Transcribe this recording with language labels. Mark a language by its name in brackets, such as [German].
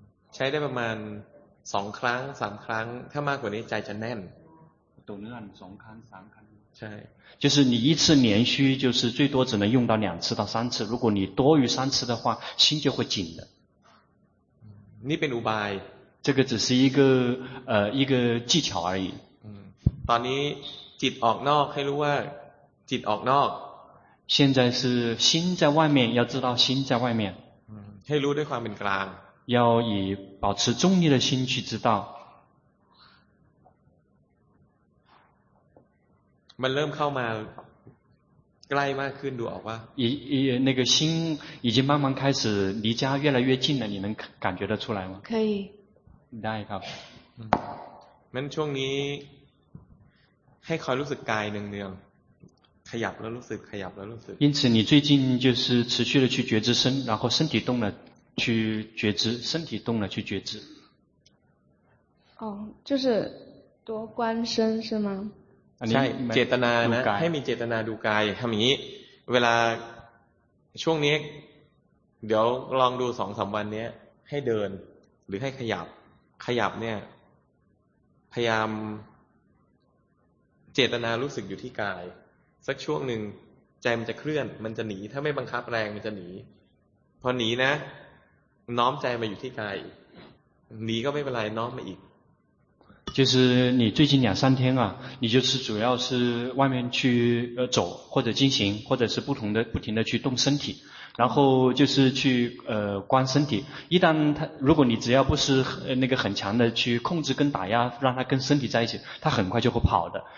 [Thai] ใช้ได้ประมาณ2ครั้ง3ครั้งถ้ามากกว่านี้ใจจะแน่น ตัวเนื้อ2ครั้ง3ครั้ง ใช่ [Chinese] 就是你一次连续就是最多只能用到2次到3次如果你多于3次的话心就会紧的 [Thai] นี่เป็นอุบาย [Chinese] 这个只是一个技巧而已 [Thai] ตอนนี้จิตออกนอกให้รู้ว่าจิตออกนอก [Chinese] 现在是心在外面要知道心在外面 [Thai] ให้รู้ด้วยความเป็นกลาง [Chinese] 要以保持中立的心去知道 [Thai] มันเริ่มเข้ามาใกล้มากขึ้นดูออกป่ะ [Chinese] 那个心已经慢慢开始离家越来越近了你能感觉得出来吗可以 [Thai] ได้ครับ มันช่วงนี้ให้คอยรู้สึกกายเนืองๆขยับแล้วรู้สึกขยับแล้วรู้สึก [Chinese] 因此你最近就是持续的去觉知身然后身体动了去觉知身体动了去觉知哦就是多观身是吗 [Thai] ใช่เจตนานะให้มีเจตนาดูกายทำอย่างนี้เวลาช่วงนี้เดี๋ยวลองดู 2-3 วันนี้ให้เดินหรือให้ขยับเนี่ยพยายามเจตนารู้สึกอยู่ที่กายสักช่วงหนึ่ง จมันจะเคลื่อนมันจะหนีถ้าไม่บังคับแรงมันจะหนีพอหนีนะน้อมใจมาอยู่ที่กายหนีก็ไม่เป็นไรน้อมมาอีก [Chinese] 就是你最近两三天啊，你就是主要是外面去走，或者进行，或者是不同的不停的去动身体，然后就是去观身体。一旦他，如果你只要不是那个很强的去控制跟打压，让他跟身体在一起，他很快就会跑的。